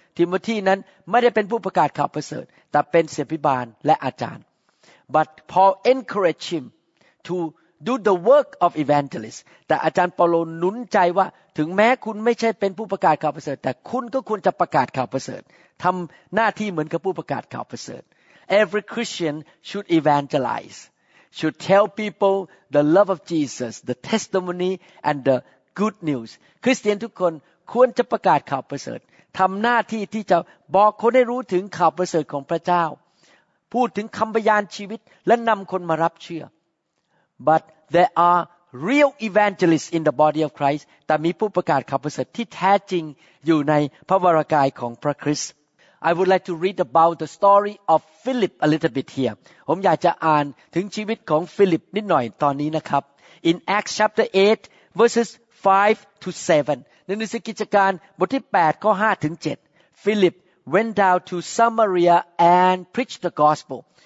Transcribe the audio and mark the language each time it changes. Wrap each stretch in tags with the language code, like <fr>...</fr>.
<th>Timothy นั้นไม่ได้เป็นผู้ประกาศข่าวประเสริฐแต่เป็นศิษยาภิบาลและอาจารย์</th> <en>But Paul encouraged him to do the work of evangelist.</en> <th>แต่อาจารย์เปาโลหนุนใจว่าถึงแม้คุณไม่ใช่เป็นผู้ประกาศข่าวประเสริฐแต่คุณก็ควรจะประกาศข่าวประเสริฐทำหน้าที่เหมือนกับผู้ประกาศข่าวประเสริฐ</th> <en>Every Christian should evangelize. Should tell people the love of Jesus, the testimony, and the good news.</en> <th>คริสเตียนทุกคนควรจะประกาศข่าวประเสริฐทำหน้าที่ที่จะบอกคนให้รู้ถึงข่าวประเสริฐของพระเจ้าพูดถึงคำพยานชีวิตและนำคนมารับเชื่อ</th> <en>But there are real evangelists in the body of Christ</en> <th>แต่มีผู้ประกาศข่าวประเสริฐที่แท้จริงอยู่ในพระวรกายของพระคริสต์</th> <en>I would like to read about the story of Philip a little bit here</en> <th>ผมอยากจะอ่านถึงชีวิตของฟิลิปนิดหน่อยตอนนี้นะครับ</th> <en>In Acts chapter 8 verses 5 to 7</en> <th>ในหนังสือกิจการบทที่8ข้อ5ถึง7</th> <en>Philip went down to Samaria and preached the gospel</en>